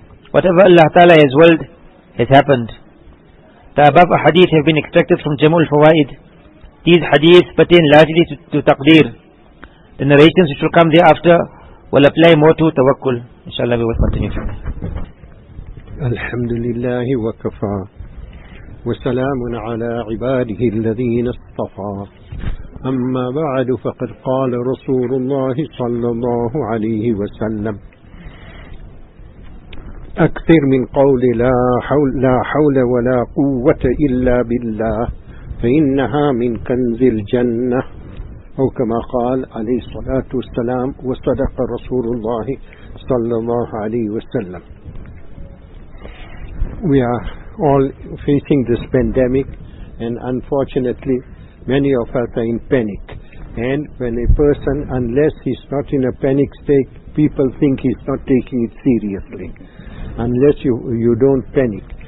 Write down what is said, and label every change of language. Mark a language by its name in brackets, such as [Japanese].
[English] Whatever Allah Ta'ala has willed, has happened. The above hadith have been extracted from Jamul Fawaid. These hadiths pertain largely to taqdeer. The narrations which will come thereafter will apply more to tawakkul. InshaAllah we will continue from there. [Arabic] Alhamdulillahi wa kafa. وسلام على عباده الذين اصطفى أما بعد فقد قال رسول الله صلى الله عليه وسلم أكثر من قول لا حول ولا قوة إلا بالله فإنها من كنز الجنة أو كما قال عليه الصلاة والسلام وصدق رسول الله صلى الله عليه وسلم. [English] We are all facing this pandemic, and unfortunately many of us are in panic, and when a person, unless he's not in a panic state, people think he's not taking it seriously, unless you don't panic.